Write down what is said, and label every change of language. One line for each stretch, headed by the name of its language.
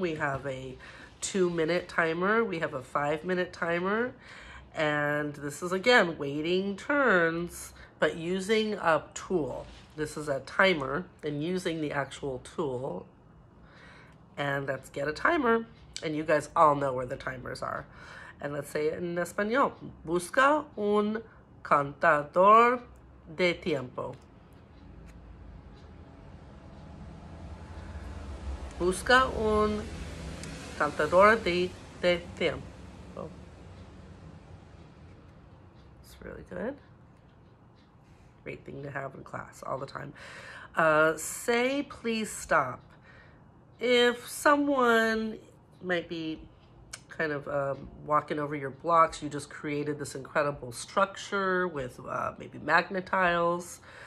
English: We have a 2-minute timer. We have a 5-minute timer. And this is, again, waiting turns, but using a tool. This is a timer and using the actual tool. And let's get a timer. And you guys all know where the timers are. And let's say it in Espanol.
Spanish: Busca un contador de tiempo. Busca un contador de tiempo.
English: It's really good. Great thing to have in class all the time. Say please stop. If someone might be kind of walking over your blocks, you just created this incredible structure with maybe magnet tiles.